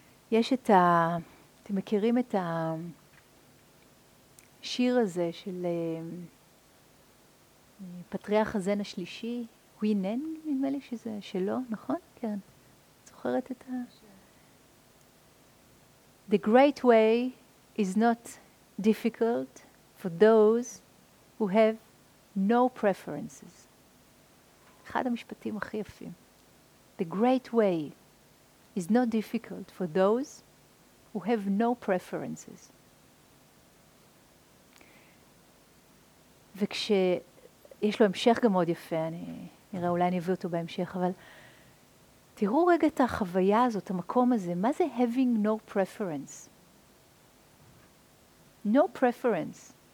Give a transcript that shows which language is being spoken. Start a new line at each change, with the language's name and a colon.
Hebrew: יש את ה... אתם מכירים את ה... שיר הזה של פטריאר חזן השלישי, הוי נן, נדמה לי שזה שלו, נכון? כן. זוכרת את ה...
English: The great way is not difficult for those who have no preferences.
Hebrew: אחד המשפטים הכי יפים.
English: The great way is not difficult for those who have no preferences.
Hebrew: וכשיש לו המשך גם מאוד יפה, אני נראה, אולי אני אביא אותו בהמשך, אבל תראו רגע את החוויה הזאת, המקום הזה, מה זה
English: having no preference? No preference.